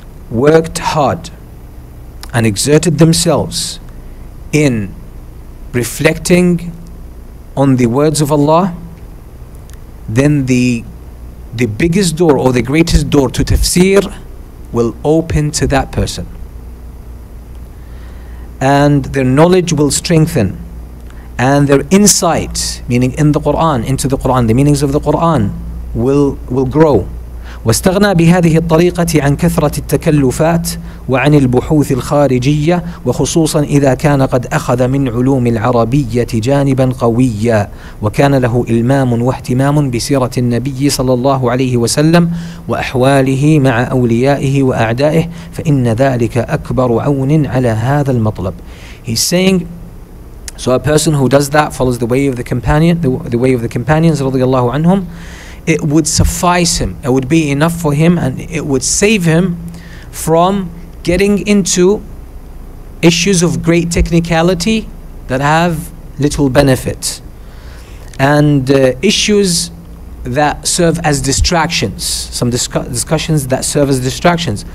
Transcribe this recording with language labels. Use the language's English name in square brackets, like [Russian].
[English] worked hard and exerted themselves in reflecting on the words of Allah, then the biggest door or the greatest door to tafsir will open to that person. And their knowledge will strengthen, and their insight, meaning in the Qur'an, into the Qur'an, the meanings of the Qur'an, will grow. [Arabic] واستغنى بهذه الطريقة عن كثرة التكلفات وعن البحوث الخارجية وخصوصا إذا كان قد أخذ من علوم العربية جانبا قويا وكان له إلمام واهتمام بسيرة النبي صلى الله عليه وسلم وأحواله مع أوليائه وأعدائه فإن ذلك أكبر عون على هذا المطلب. [English] He's saying, so a person who does that follows the way of the companion, the way of the companions [Arabic] رضي الله عنهم, [English] it would suffice him, it would be enough for him, and it would save him from getting into issues of great technicality that have little benefit, and issues that serve as distractions, some discussions that serve as distractions.